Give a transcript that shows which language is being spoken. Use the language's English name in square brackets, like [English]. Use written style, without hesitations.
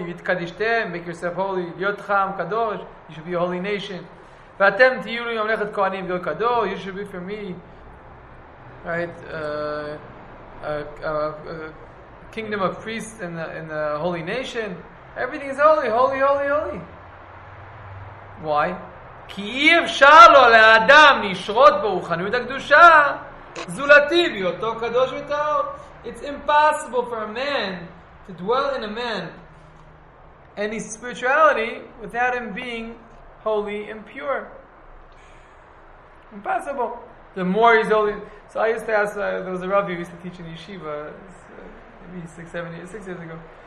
[English] Yitkadishtem, make yourself holy. Yotcham Kadosh, you should be a holy nation. Vatem to you, you should be for me. Right? A kingdom of priests in a holy nation. Everything is holy, holy, holy, holy. Why? [Hebrew] כי אי אפשר לו לאדם לשרות ברוחניות הקדושה זולתי להיותו קדוש וטהור. [English] It's impossible for a man to dwell in a man any spirituality without him being holy and pure. Impossible. The more he's holy. So I used to ask, there was a rabbi who used to teach in yeshiva, maybe six years ago.